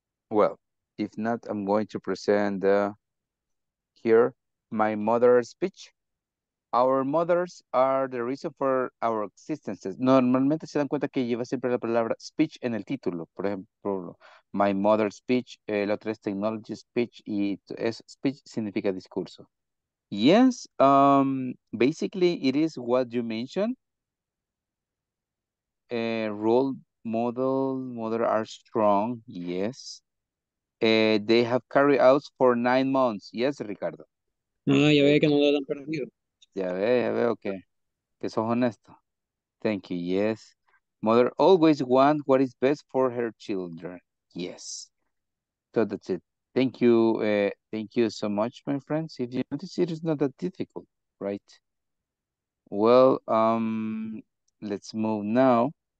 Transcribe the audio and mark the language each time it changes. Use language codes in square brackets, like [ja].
[en] Well, if not, I'm going to present here my mother's speech. Our mothers are the reason for our existences. [es] Normalmente se dan cuenta que lleva siempre la palabra speech en el título. Por ejemplo, my mother's speech, la otra es technology speech, y es speech significa discurso. [en] Yes, basically it is what you mentioned. Role model, mother are strong, yes. They have carried out for 9 months. Yes, Ricardo. [es] No, ya ve que no lo han perdido. Ya ve, okay. Que sos honesto. Thank you, yes. [en] Mother always wants what is best for her children. Yes. So that's it. Thank you. Thank you so much, my friends. If you notice, it is not that difficult, right? Well, let's move now.